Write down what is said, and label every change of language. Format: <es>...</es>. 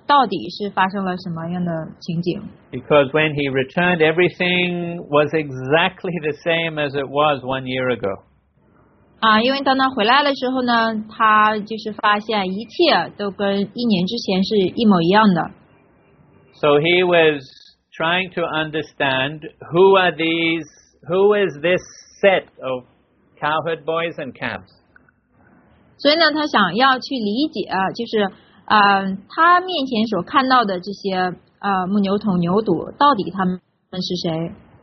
<zh>我们都知道，主巴玛呢，他真的想不通到底是发生了什么样的情景。</zh> <en>Because when he returned, everything was exactly the same as it was 1 year ago.</en> <zh>因为当他回来的时候呢，他就是发现一切都跟一年之前是一模一样的。So</zh> <en>he was trying to understand who are these, who is this set of cowherd boys and calves.</en> <zh>所以呢，他想要去理解，就是他面前所看到的这些牧牛童牛犊，到底他们是谁？</zh>